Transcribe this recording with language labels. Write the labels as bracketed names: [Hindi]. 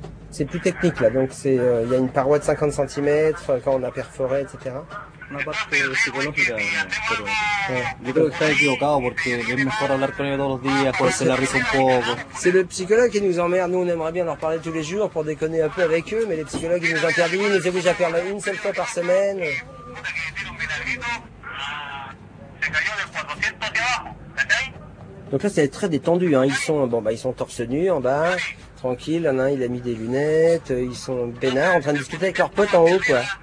[French] C'est plus technique là, donc c'est il y a une paroi de 50 cm quand on a perforé, etc. [Spanish] Una parte psicológica, pero yo creo que está equivocado porque es mejor hablar con ellos todos los días, cogerse la risa un poco. [French] C'est le psychologue qui nous emmerde, nous on aimerait bien leur parler tous les jours pour déconner un peu avec eux, mais les psychologues ils nous interdisent, nous obligent à parler une seule fois par semaine. Donc là c'est très détendu, hein. ils sont torse nu en bas, tranquille, là, il a mis des lunettes, ils sont peinards en train de discuter avec leurs potes en haut, quoi.